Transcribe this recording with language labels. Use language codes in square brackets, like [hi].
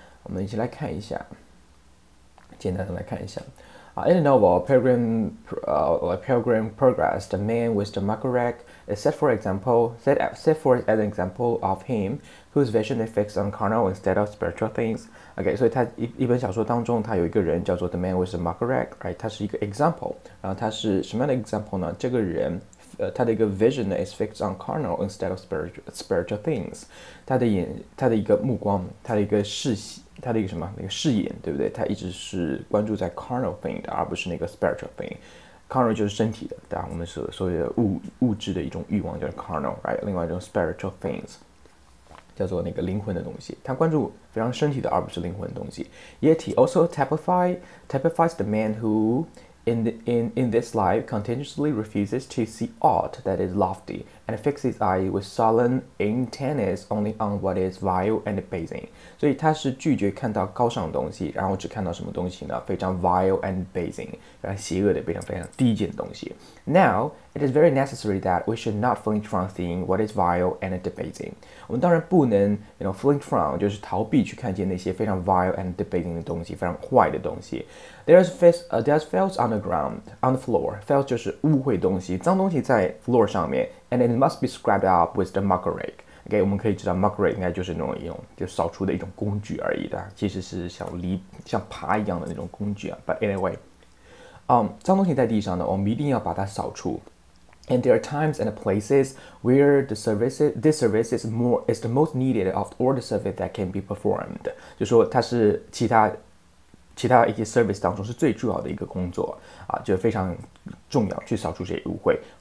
[zh] 我们一起来看一下, 简单的来看一下. [en] In the novel, Pilgrim Progress, the man with the muck rack is set forth as an example of him whose vision is fixed on carnal instead of spiritual things. Okay, so [zh] 他一本小说当中，他有一个人叫做 [en] the man with the muck rack, right? [zh] 他是一个 example. 然后他是什么样的 example 呢?这个人，他的一个 [en] vision is fixed on carnal instead of spiritual things. [zh] 他的一个目光，他的一个视线。他的一个视野，对不对？他一直是关注在 carnal thing 的， 而不是那个 spiritual thing。 carnal 就是身体的， 我们所谓的物质的一种欲望 叫做 carnal， right？另外一种 spiritual things 叫做那个灵魂的东西， 他关注非常身体的， 而不是灵魂的东西。 [en] Yet he also typifies the man who in this life continuously refuses to see aught that is lofty and fix his eye with sullen intentness only on what is vile and basing. [zh] 所以他是拒绝看到高尚的东西, 然后只看到什么东西呢? 非常 [en] vile and basing, [zh] 非常邪恶的, 非常低贱的东西。 [en] Now, it is very necessary that we should not flinch from seeing what is vile and debasing. [zh] 我们当然不能, [en] you know, flinch from, [zh] 就是逃避去看见那些非常 [en] vile and debasing [zh] 的东西, 非常坏的东西。 [en] There's filth on the floor. Filth [zh] 就是污秽东西, 脏东西在 [en] floor [zh] 上面, [en] and it must be scrubbed up with the muck rake. [zh] Okay, 我们可以知道 muck rake 应该就是那种扫除的一种工具而已的，其实是像犁、像耙一样的那种工具啊。 [en] But anyway, [zh] 脏东西在地上呢, 我们一定要把它扫除。 [en] And there are times and places where this service is the most needed of all the service that can be performed. [zh] 就说它是其他 其他一些service当中是最重要的一个工作, 就非常重要去扫除这些误会。